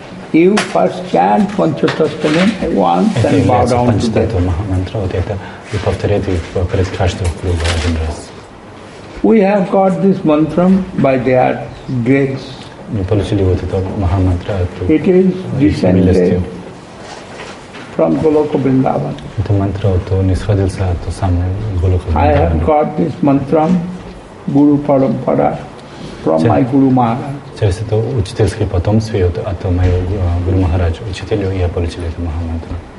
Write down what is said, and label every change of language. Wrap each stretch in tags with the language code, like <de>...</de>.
<en>You first chant Panchatattva once and bow down to that.</en> <ru>Это Махамантра, вот это, вы повторяете перед каждым кругом один раз.</ru> <en>We have got this mantra by their grace.</en> <ru>Мы получили вот это Махамантра.</ru> <en>It is descended from Goloka Vrindavan.</en> <ru>Это мантра, то не сходится от того самого Голока Вриндавана.</ru> <en>I have got this mantra, Guru Parampara, from my Guru Maharaj.</en> <ru>Через это учительское потомство от моего Гуру Махараджа, учителю, я получил эту Махамантру.</ru>